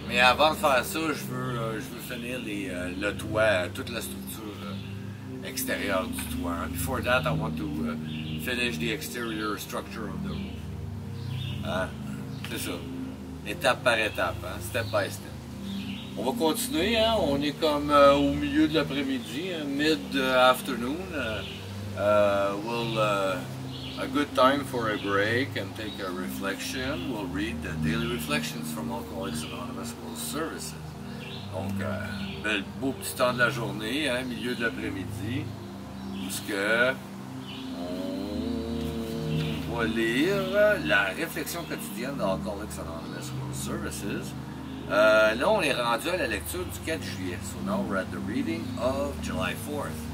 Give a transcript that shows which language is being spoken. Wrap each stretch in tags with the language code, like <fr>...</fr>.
<fr>Mais avant de faire ça, je veux finir le toit, toute la structure extérieure du toit.</fr> <en>And before that, I want to finish the exterior structure of the roof.</en> <fr>C'est ça. Étape par étape, hein?</fr> <en>Step by step.</en> <fr>On va continuer, hein? On est comme au milieu de l'après-midi, hein?</fr> <en>Mid-afternoon. A good time for a break and take a reflection. We'll read the daily reflections from Alcoholics Anonymous World Services.</en> <fr>Donc, bel beau petit temps de la journée, hein, milieu de l'après-midi, puisque on va lire la réflexion quotidienne d'Alcoholics Anonymous World Services. Là, on est rendu à la lecture du 4 juillet.</fr> <en>So now we're at the reading of July 4th.</en>